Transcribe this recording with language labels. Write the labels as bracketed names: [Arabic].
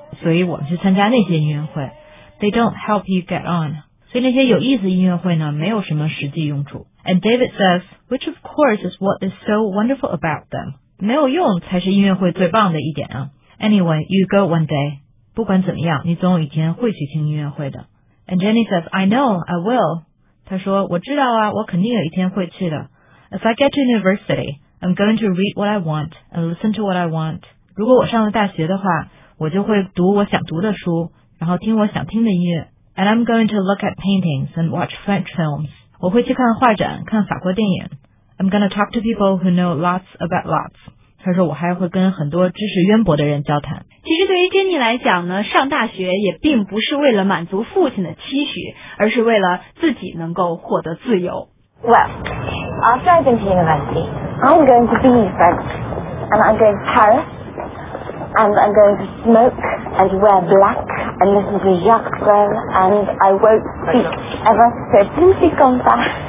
[Chinese] 所以我们去参加那些音乐会。 [English] They don't help you get on. [Chinese] 所以那些有意思音乐会呢，没有什么实际用处。 [English] And David says, which of course is what is so wonderful about them. [Chinese] 没有用才是音乐会最棒的一点啊。 [English] Anyway, you go one day. [Chinese] 不管怎么样，你总有一天会去听音乐会的。 [English] And Jenny says, I know, I will. [Chinese] 她说，我知道啊，我肯定有一天会去的。 [English] If I get to university, I'm going to read what I want and listen to what I want. [Chinese] 如果我上了大学的话，我就会读我想读的书，然后听我想听的音乐。 [English] And I'm going to look at paintings and watch French films. [Chinese] 我会去看画展，看法国电影。 [English] I'm going to talk to people who know lots about lots. [Chinese] 他说我还会跟很多知识渊博的人交谈。其实对于 Jenny 来讲呢，上大学也并不是为了满足父亲的期许，而是为了自己能够获得自由。 [English] Well, after I've been to university, I'm going to be French, and I'm going to Paris, and I'm going to smoke, and wear black, and listen to Jacques Brel, and I won't speak ever, so please come back.